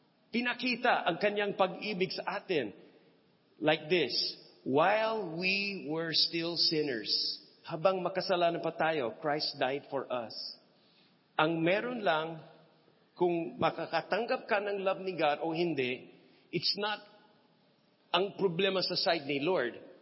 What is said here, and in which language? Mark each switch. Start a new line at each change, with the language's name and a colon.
Filipino: Pinakita ang kanyang pag-ibig sa atin.
English: Like this, while we were still sinners,
Filipino: habang makasalanan pa tayo,
English: Christ died for us.
Filipino: Ang meron lang, kung makakatanggap ka ng love ni God o hindi,
English: it's not
Filipino: ang problema sa side ni Lord.